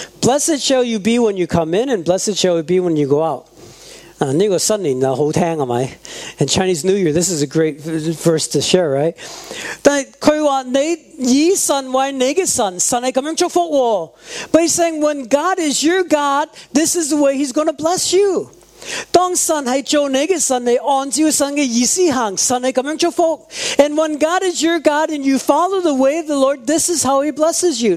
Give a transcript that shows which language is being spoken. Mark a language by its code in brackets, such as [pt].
[en] Blessed shall you be when you come in, and blessed shall you be when you go out. [zh] 这个新年好听，是吧？ [en] And Chinese New Year, this is a great verse to share, right? [zh] 但他说，你以神为你的神，神是这样祝福。 [en] But he's saying, when God is your God, this is the way he's going to bless you. [zh] 当神是做你的神，你按照神的意思行，神是这样祝福。 [en] And when God is your God and you follow the way of the Lord, this is how he blesses you.